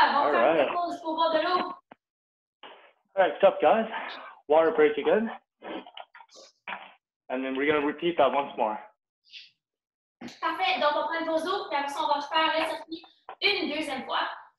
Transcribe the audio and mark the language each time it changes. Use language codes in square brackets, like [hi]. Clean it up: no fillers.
[fr] On fait une pause pour boire de l'eau. [en] All right, stop, guys. Water break again. And then we're going to repeat that once more. [fr] Parfait. Donc, on prend une pause d'eau. Puis après ça, on va refaire la série une deuxième fois.